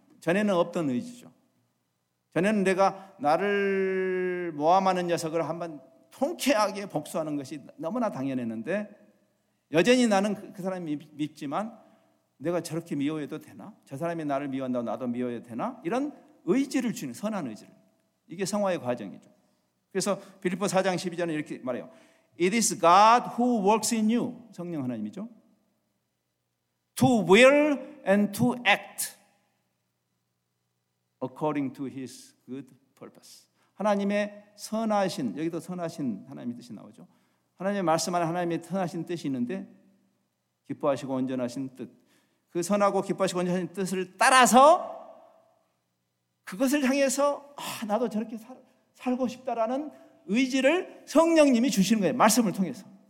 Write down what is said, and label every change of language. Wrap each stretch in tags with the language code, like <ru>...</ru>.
<ko>전에는 없던 의지죠. 전에는 내가 나를 모함하는 녀석을 한번 통쾌하게 복수하는 것이 너무나 당연했는데 여전히 나는 그 사람이 믿지만 내가 저렇게 미워해도 되나? 저 사람이 나를 미워한다고 나도 미워해도 되나? 이런 의지를 주는 선한 의지를. 이게 성화의 과정이죠. 그래서 빌립보 4장 12절은 이렇게 말해요.</ko> <en>It is God who works in you.</en> <ko>성령 하나님이죠.</ko> <en>To will and to act according to his good purpose.</en> <ko>하나님의 선하신, 여기도 선하신 하나님의 뜻이 나오죠. 하나님의 말씀하는 하나님의 선하신 뜻이 있는데 기뻐하시고 온전하신 뜻. 그 선하고 기뻐하시고 온전하신 뜻을 따라서 그것을 향해서 아, 나도 저렇게 살고 싶다라는 의지를 성령님이 주시는 거예요. 말씀을 통해서.</ko>